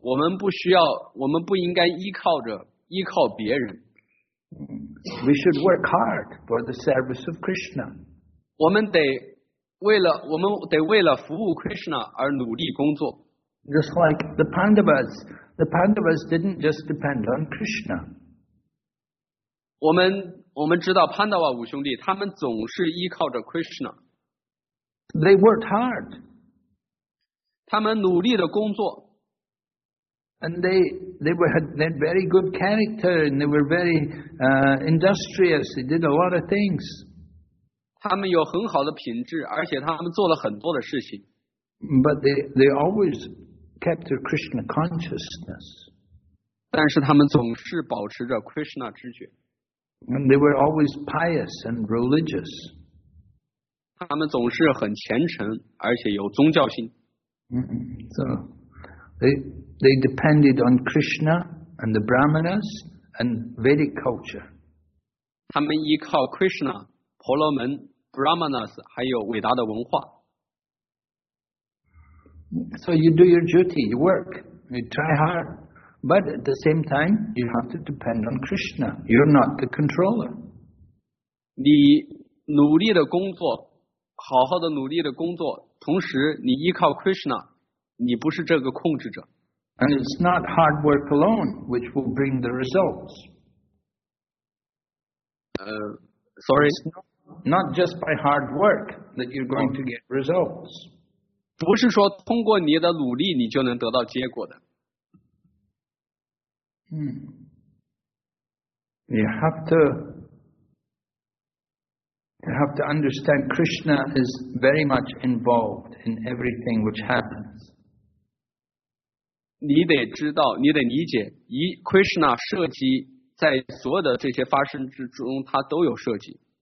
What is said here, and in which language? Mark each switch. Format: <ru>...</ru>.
<zh>我们不需要，我们不应该依靠别人。</zh> <en>We should work hard for the service of Krishna.</en> <zh>我们得为了服务 Krishna 而努力工作。</zh> <en>Just like the Pandavas didn't just depend on Krishna.</en> <zh>我们知道潘达瓦五兄弟他们总是依靠着 Krishna.</zh> <en>They worked hard.</en> <zh>他们努力的工作。</zh> <en>And they had very good character and they were very industrious. They did a lot of things.</en> <zh>他们有很好的品质，而且他们做了很多的事情。</zh> <en>But they always kept their Krishna consciousness.</en> <zh>但是他们总是保持着 Krishna 知觉。</zh> <en>And they were always pious and religious.</en> <zh>他们总是很虔诚，而且有宗教性。</zh> <en>So they depended on Krishna and the Brahmanas and Vedic culture.</en> <zh>他们依靠 Krishna, 婆罗门 Brahmanas, 还有伟大的文化。</zh> <en>So you do your duty, you work, you try hard. But at the same time, you have to depend on Krishna. You're not the controller.</en> <zh>你努力的工作，好好的努力的工作，同时你依靠 Krishna, 你不是这个控制者。</zh> <en>And it's not hard work alone which will bring the results. Sorry? It's not just by hard work that you're going to get results.</en> <zh>不是说通过你的努力你就能得到结果的。</zh> <en>You have to understand Krishna is very much involved in everything which happens.</en> <zh>你得知道，你得理解，以 Krishna 涉及在所有的这些发生之中，他都有涉及。</zh>